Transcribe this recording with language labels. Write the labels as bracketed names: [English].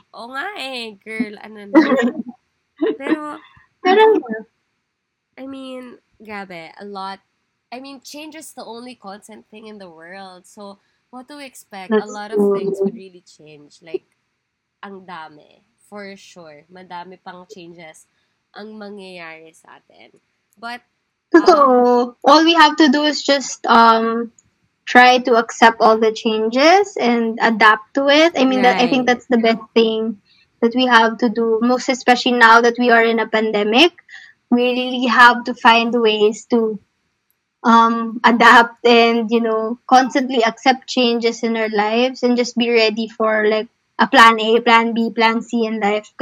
[Filipino] Oh, nga eh, girl. Ano na. Pero, I mean, grabe, [English] a lot. I mean, change is the only constant thing in the world. So, what do we expect? That's a lot true. Of things would really change. Like, [Filipino] ang dami. [English] For sure. [Filipino] Madami pang changes ang mangyayari sa atin. [English] But, All we have to do is just try to accept all the changes and adapt to it. I mean, I think that's the best thing that we have to do, most especially now that we are in a pandemic. We really have to find ways to adapt and, you know, constantly accept changes in our lives and just be ready for, like, a plan A, plan B, plan C in life.